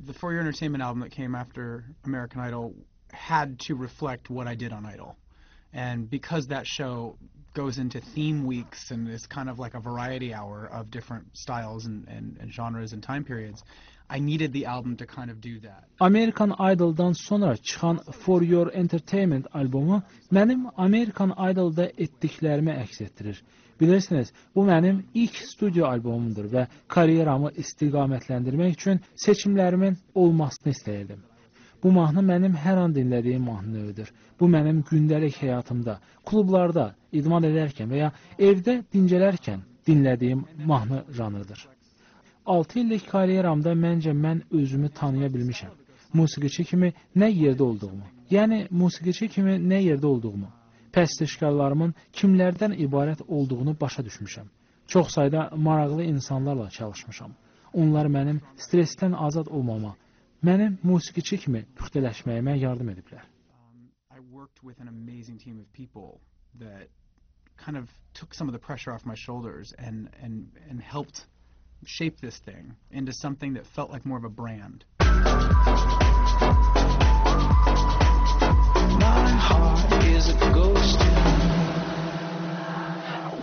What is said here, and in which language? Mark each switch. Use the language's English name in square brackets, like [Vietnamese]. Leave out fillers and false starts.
[English] Entertainment album that came after American Idol had to reflect what I did on Idol, and because that show goes into theme weeks and is kind of like a variety hour of different styles and genres and time periods, I needed the album to kind of do that. [Azerbaijani] American Idol'dan sonra çıxan For Your Entertainment albumu mənim American Idol'da etdiklərimi əks etdirir. Bilirsiniz, bu mənim ilk studio albumumdur və kariyeramı istiqamətləndirmək üçün seçimlərimin olmasını istəyirdim. Bu mahnı mənim hər an dinlədiyim mahnı növüdür. Bu mənim gündəlik həyatımda, klublarda idman edərkən və ya evdə dincələrkən dinlədiyim mahnı janrıdır. 6 illik kariyeramda məncə mən özümü tanıya bilmişəm. Musiqiçi kimi nə yerdə olduğumu, yəni musiqiçi kimi nə yerdə olduğumu, pəstişkarlarımın kimlərdən ibarət olduğunu başa düşmüşəm. Çox sayda maraqlı insanlarla çalışmışam. Onlar mənim stresdən azad olmama, mənim musiqiçi kimi püxtələşməyimə yardım ediblər. [English] I worked with an amazing team of people that kind of took some of the pressure off my shoulders and helped shape this thing into something that felt like more of a brand. Heart is a ghost town.